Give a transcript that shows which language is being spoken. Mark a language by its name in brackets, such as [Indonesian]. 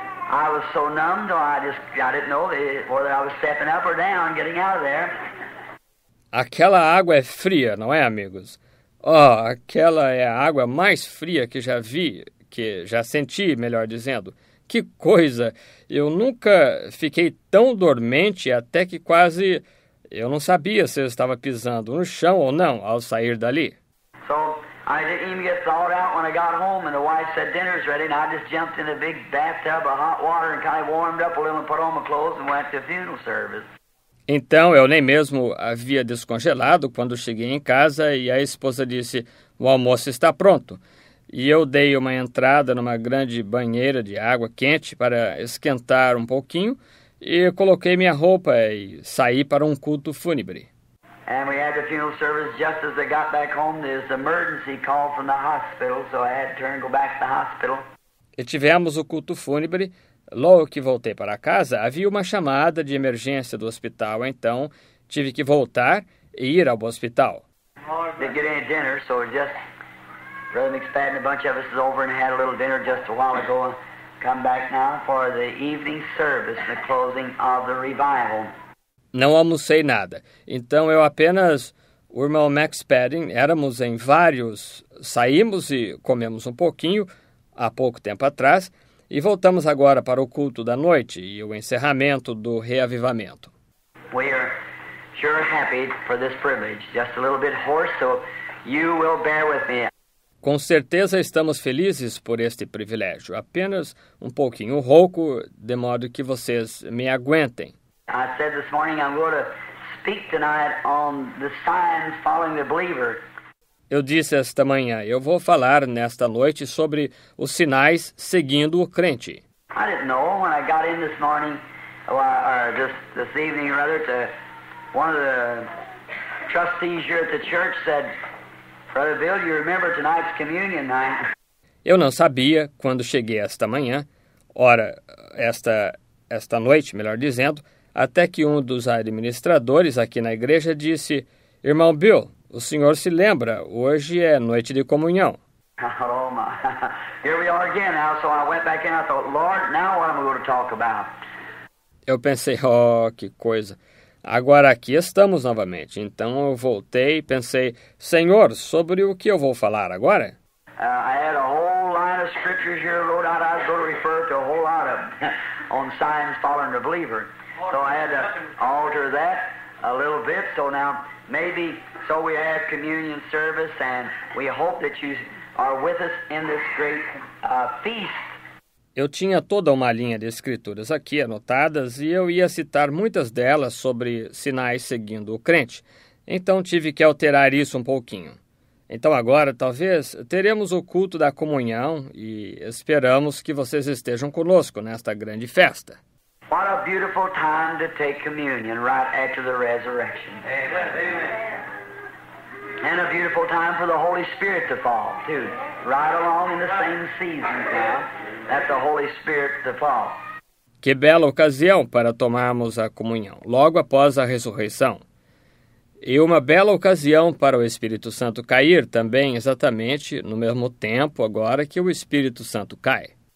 [English] I was so numb, I didn't know whether I was stepping up or down, getting out of there. [Portuguese] Aquela água é fria, não é, amigos? Oh, aquela é a água mais fria que já vi, que já senti, melhor dizendo. Que coisa! Eu nunca fiquei tão dormente até que quase eu não sabia se eu estava pisando no chão ou não ao sair dali. [English] So, I didn't even get thawed out when I got home and the wife said dinner's ready and I just jumped in a big bathtub of hot water and kind of warmed up a little and put on my clothes and went to the funeral service. [Portuguese] Então, eu nem mesmo havia descongelado quando cheguei em casa e a esposa disse, o almoço está pronto. E eu dei uma entrada numa grande banheira de água quente para esquentar um pouquinho e coloquei minha roupa e saí para um culto fúnebre. [English] And we had the funeral service just as they got back home. There's an emergency call from the hospital, so I had to turn and go back to the hospital. [Portuguese] E tivemos o culto fúnebre. Logo que voltei para casa, havia uma chamada de emergência do hospital, então tive que voltar e ir ao hospital. [English] Didn't get any dinner, so just Brother McSpadden and a bunch of us is over and had a little dinner just a while ago. Come back now for the evening service, the closing of the revival. [Portuguese] Não almocei nada. Então eu apenas, o irmão Max Padding, éramos em vários, saímos e comemos um pouquinho há pouco tempo atrás e voltamos agora para o culto da noite e o encerramento do reavivamento. [English] We are sure happy for this privilege. Just a little bit hoarse, so you will bear with me. [Portuguese] Com certeza estamos felizes por este privilégio. Apenas um pouquinho rouco, de modo que vocês me aguentem. [English] I said this morning I'm going to speak tonight on the signs following the believer. [Portuguese] Eu disse esta manhã, eu vou falar nesta noite sobre os sinais seguindo o crente. [English] I didn't know when I got in this morning, or just this evening rather, to one of the trustees here at the church said, Brother Bill, you remember tonight's communion night? [Portuguese] Eu não sabia quando cheguei esta manhã, ora, esta noite, melhor dizendo, até que um dos administradores aqui na igreja disse, Irmão Bill, o senhor se lembra, hoje é noite de comunhão. [English] Oh, my. Here we are again now. So I went back in and I thought, Lord, now what am I going to talk about? [Portuguese] Eu pensei, oh, que coisa. Agora aqui estamos novamente. Então eu voltei e pensei, Senhor, sobre o que eu vou falar agora? [English] I had a whole line of scriptures here wrote out. I was going to refer to a whole lot of on signs following the believer. So I had to alter that a little bit. So now maybe so we have communion service and we hope that you are with us in this great feast. [Portuguese] Eu tinha toda uma linha de escrituras aqui anotadas e eu ia citar muitas delas sobre sinais seguindo o crente, então tive que alterar isso um pouquinho. Então agora, talvez, teremos o culto da comunhão e esperamos que vocês estejam conosco nesta grande festa. [English] What a beautiful time to take communion right after the resurrection. Amen. And a beautiful time for the Holy Spirit to fall, too. Right along in the same season, too, that the Holy Spirit to fall. [Portuguese] Que bela ocasião para tomarmos a comunhão, logo após a ressurreição. E uma bela ocasião para o Espírito Santo cair também, exatamente no mesmo tempo agora que o Espírito Santo cai.